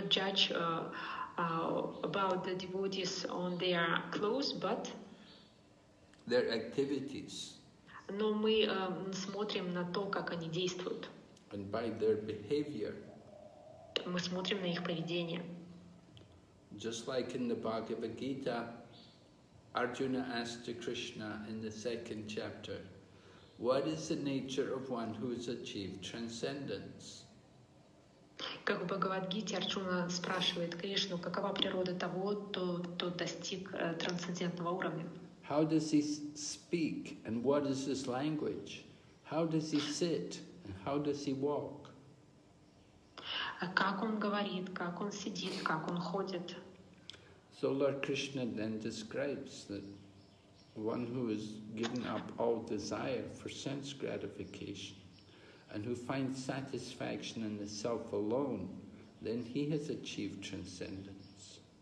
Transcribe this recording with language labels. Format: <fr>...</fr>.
<en>We not judge about the devotees on their clothes, but their activities.</en> <ru>Но мы смотрим на то, как они действуют.</ru> <en>And by their behavior.</en> <ru>Мы смотрим на их поведение.</ru> <en>Just like in the Bhagavad Gita, Arjuna asked to Krishna in the second chapter, what is the nature of one who has achieved transcendence?</en> <ru>Как в Бхагавад-гите Арджуна спрашивает Кришну, какова природа того, кто достиг трансцендентного уровня?</ru> <en>How does he speak and what is his language? How does he sit and how does he walk?</en> <ru>Как он говорит, как он сидит, как он ходит?</ru> <en>So Lord Krishna then describes that one who has given up all desire for sense gratification and who finds satisfaction in the self alone, then he has achieved transcendence.</en>